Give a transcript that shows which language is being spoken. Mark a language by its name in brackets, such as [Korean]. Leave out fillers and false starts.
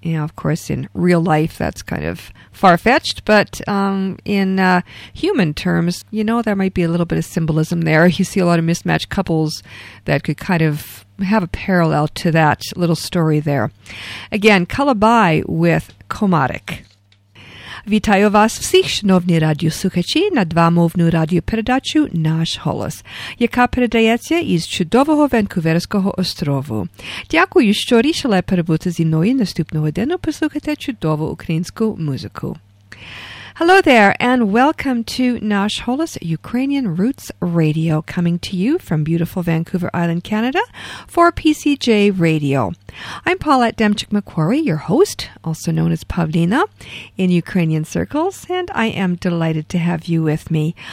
[English] You know, of course, in real life, that's kind of far-fetched, but in human terms, you know, there might be a little bit of symbolism there. You see a lot of mismatched couples that could kind of have a parallel to that little story there. Again, Kalabai with Komarek. [Ukrainian] Вітаю вас всіх, шановні радіослухачі, на двомовну радіопередачу «Наш голос», яка передається із чудового Ванкуверського острову. Дякую, що рішили перебути зі мною наступного дня послухати чудову українську музику. [English] Hello there, and welcome to Nash Holis Ukrainian Roots Radio, coming to you from beautiful Vancouver Island, Canada, for PCJ Radio. I'm Paulette Demchuk-McQuarrie, your host, also known as Pavlina, in Ukrainian circles, and I am delighted to have you with me.